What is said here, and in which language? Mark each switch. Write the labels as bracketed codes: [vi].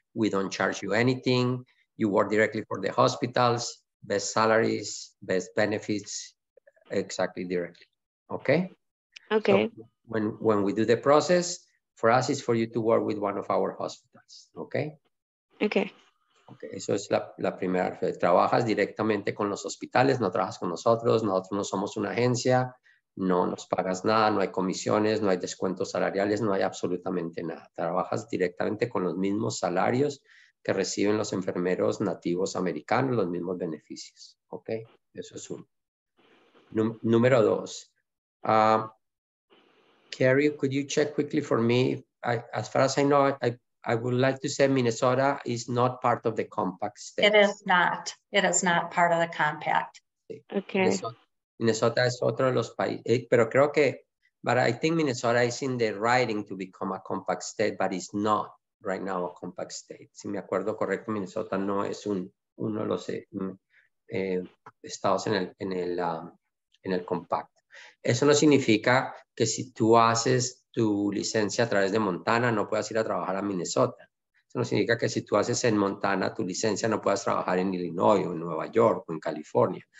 [en] We don't charge you anything. You work directly for the hospitals, best salaries, best benefits, exactly directly. Okay? Okay. So when we do the process, for us it's for you to work with one of our hospitals. Okay? Okay. [es] Okay. Eso es la primera. Trabajas directamente con los hospitales, no trabajas con nosotros. Nosotros no somos una agencia. No nos pagas nada, no hay comisiones, no hay descuentos salariales, no hay absolutamente nada. Trabajas directamente con los mismos salarios que reciben los enfermeros nativos americanos, los mismos beneficios. ¿Ok? Eso es uno. Número dos. [en] Carrie, could you check quickly for me? As far as I know, I would like to say Minnesota is not part of the compact state. It is not. It is not part of the compact. Okay. Minnesota is otro de los países, pero creo que, but I think Minnesota is in the writing to become a compact state, but it's not right now a compact state. [es] Si me acuerdo correcto, Minnesota no es uno de los estados en el compacto. Eso no significa que si tú haces tu licencia a través de Montana, no puedas ir a trabajar a Minnesota. Eso no significa que si tú haces en Montana tu licencia, no puedas trabajar en Illinois o en Nueva York o en California.